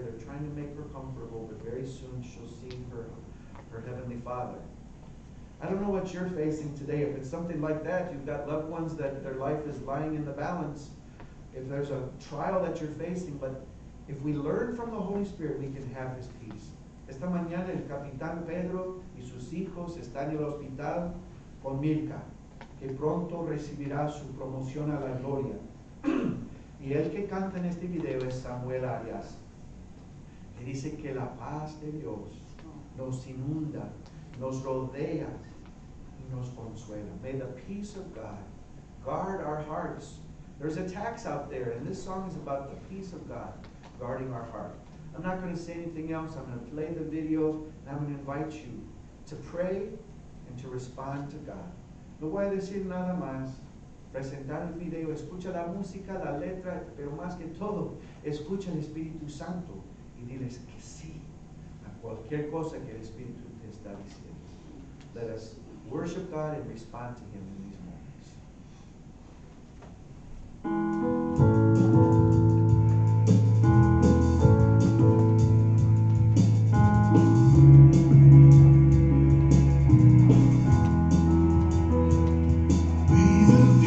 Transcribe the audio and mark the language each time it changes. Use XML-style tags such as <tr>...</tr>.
<en>They're trying to make her comfortable, but very soon she'll see her Heavenly Father. I don't know what you're facing today. If it's something like that, you've got loved ones that their life is lying in the balance. If there's a trial that you're facing, but if we learn from the Holy Spirit, we can have his peace.</en> <es>Esta mañana el Capitán Pedro y sus hijos están en el hospital con Mirka, que pronto recibirá su promoción a la gloria. Y el que canta en este video es Samuel Arias. Le dice que la paz de Dios nos inunda, nos rodea y nos consuela.</es> <en>May the peace of God guard our hearts. There's attacks out there, and this song is about the peace of God guarding our heart. I'm not going to say anything else. I'm going to play the video, and I'm going to invite you to pray and to respond to God.</en> <es>No voy a decir nada más. Presentar el video, escucha la música, la letra, pero más que todo, escucha el Espíritu Santo y diles que sí a cualquier cosa que el Espíritu te está diciendo.</es> <en>Let us worship God and respond to him in these moments.</en>